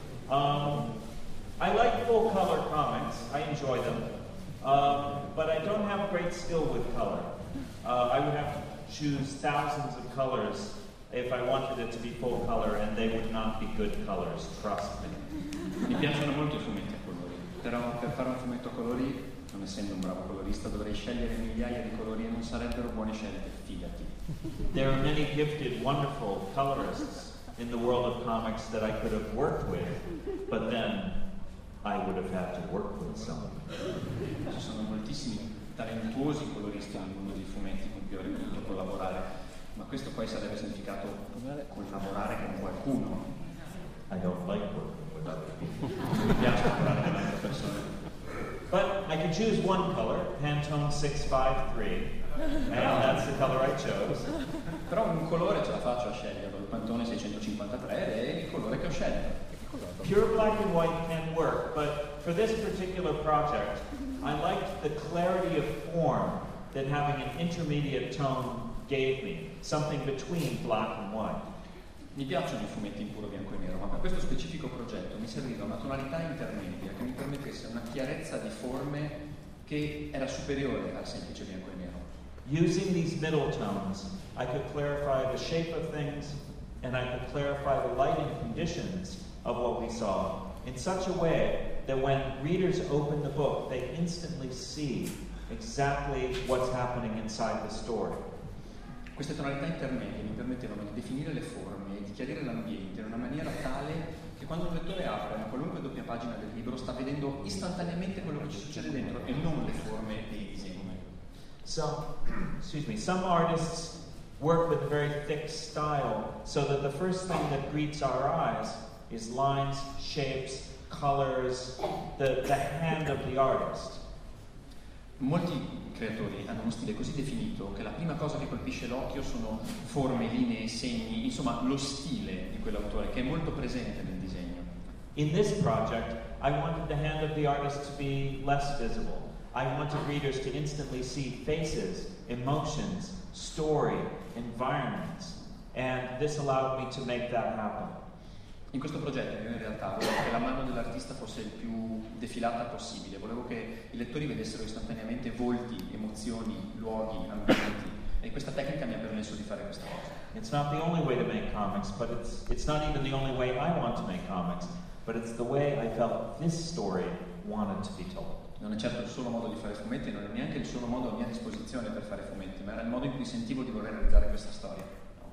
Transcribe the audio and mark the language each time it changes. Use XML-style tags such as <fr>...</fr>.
<en>I like full color comics, I enjoy them, but I don't have great skill with color. I would have to choose thousands of colors if I wanted it to be full color, and they would not be good colors, trust me.</en> <it>Mi piacciono molto i fumetti a colori, però per fare un fumetto a colori, non essendo un bravo colorista, dovrei scegliere migliaia di colori e non sarebbero buone scelte, fidati.</it> <en>There are many gifted, wonderful colorists in the world of comics that I could have worked with, but then I would have had to work with some.</en> <it>Ci sono moltissimi talentuosi coloristi nel mondo dei fumetti con cui avrei potuto collaborare, ma questo poi sarebbe significato collaborare con qualcuno.</it> <en>I don't like working with other people.</en> <it>Mi piace lavorare con altre persone.</it> <en>But I could choose one color, Pantone 653, and that's the color I chose.</en> <it>Però un colore ce la faccio a scegliere, il Pantone 653 è il colore che ho scelto.</it> <en>Pure black and white can work, but for this particular project, I liked the clarity of form that having an intermediate tone gave me, something between black and white.</en> <it>Mi piacciono i fumetti in puro bianco e nero, ma per questo specifico progetto mi serviva una tonalità intermedia che mi permettesse una chiarezza di forme che era superiore al semplice bianco e nero.</it> <en>Using these middle tones, I could clarify the shape of things and I could clarify the lighting conditions of what we saw in such a way that when readers open the book, they instantly see exactly what's happening inside the story.</en> <it>Queste tonalità intermedie mi permettevano di definire le forme e di chiarire l'ambiente in una maniera tale che quando un lettore apre una qualunque doppia pagina del libro sta vedendo istantaneamente quello che ci succede dentro e non le forme dei disegni.</it> <en>So, excuse me, some artists work with a very thick style so that the first thing that greets our eyes is lines, shapes, colors, the hand of the artist.</en> <it>Molti creatori hanno uno stile così definito che la prima cosa che colpisce l'occhio sono forme, linee, segni, insomma lo stile di quell'autore che è molto presente nel disegno.</it> <en>In this project I wanted the hand of the artist to be less visible. I wanted readers to instantly see faces, emotions, story, environments, and this allowed me to make that happen.</en> <it>In questo progetto io in realtà volevo che la mano dell'artista fosse il più defilata possibile, volevo che i lettori vedessero istantaneamente volti, emozioni, luoghi, ambienti, e questa tecnica mi ha permesso di fare questa cosa.</it> <en>It's not the only way to make comics, but it's not even the only way I want to make comics, but it's the way I felt this story wanted to be told.</en> <it>Non è certo il solo modo di fare fumetti, non è neanche il solo modo a mia disposizione per fare fumetti, ma era il modo in cui sentivo di voler realizzare questa storia.</it>